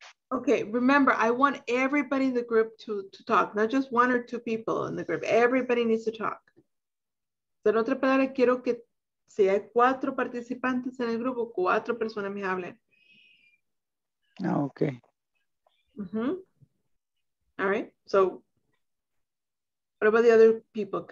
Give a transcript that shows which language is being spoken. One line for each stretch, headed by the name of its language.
English: Okay, remember, I want everybody in the group to talk, not just one or two people in the group. Everybody needs to talk.
Spanish: En otra palabra, quiero que si hay 4 participantes en el grupo, 4 personas me hablen.
English: Oh, okay. Mm-hmm. All right, so what about the other people?